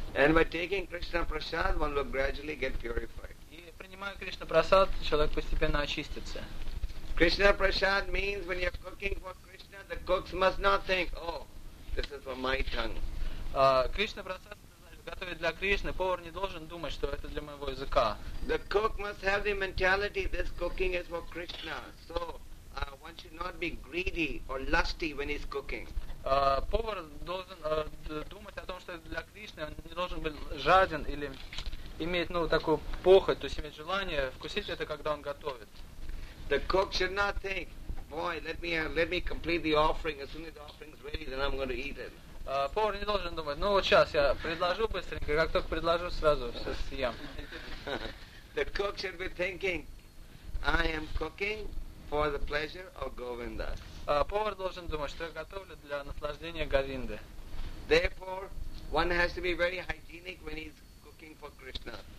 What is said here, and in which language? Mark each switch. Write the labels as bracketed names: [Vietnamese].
[English] And by taking Krishna prasad, one will gradually get purified. [Russian] И принимая Кришна прасад, человек постепенно очистится. [English] Krishna prasad means when you're cooking for Krishna, the cooks must not think, oh, This is for my tongue. [Russian] Кришна Прасад готовит для Кришны. Повар не должен думать, что это для моего языка. [English] The cook must have the mentality this cooking is for Krishna. So one should not be greedy or lusty when he's cooking. [Russian] Повар должен думать о том, что это для Кришны. Он не должен быть жаден или иметь такую похоть, то есть иметь желание вкусить это, когда он готовит. [English] The cook should not think, boy, let me complete the offering. As soon as the offering is ready, then I'm going to eat it. [Russian] Повар не должен думать, сейчас я предложу быстренько, как только предложу, сразу все съем. [English] The cook should be thinking, I am cooking for the pleasure of Govinda. [Russian] Повар должен думать, что я готовлю для наслаждения Говинды. [English] Therefore, one has to be very hygienic when he's cooking for Krishna.